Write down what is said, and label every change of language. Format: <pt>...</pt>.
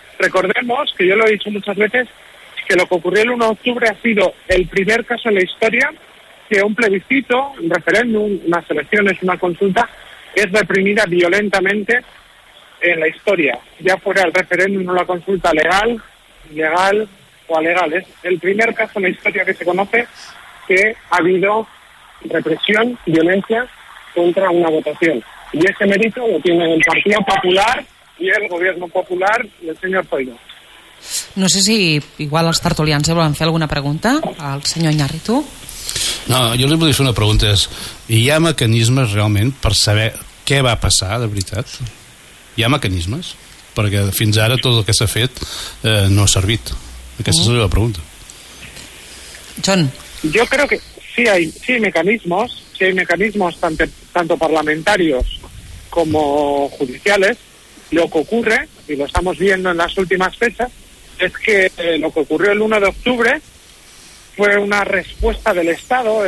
<es>Recordemos, que yo lo he dicho muchas veces, que lo que ocurrió el 1 de octubre ha sido el primer caso en la historia que un plebiscito, un referéndum, unas elecciones, una consulta, es reprimida violentamente en la historia, ya fuera el referéndum o la consulta legal, ilegal o alegal. Es el primer caso en la historia que se conoce que ha habido represión, violencia contra una votación. Y ese mérito lo tiene el Partido Popular y el Gobierno Popular del señor Zoido.</es> <ca>No sé si igual els tertulians volen fer alguna pregunta al senyor Iñárritu. No, jo li volia fer una pregunta. Hi ha mecanismes realment per saber què va passar, de veritat? Hi ha mecanismes? Perquè fins ara tot el que s'ha fet no ha servit. Aquesta seria la pregunta. John. Jo crec que</ca> <es>sí hay mecanismes, tanto parlamentarios como judiciales. Lo que ocurre, y lo estamos viendo en las últimas fechas, es que lo que ocurrió el 1 de octubre fue una respuesta del Estado.</es>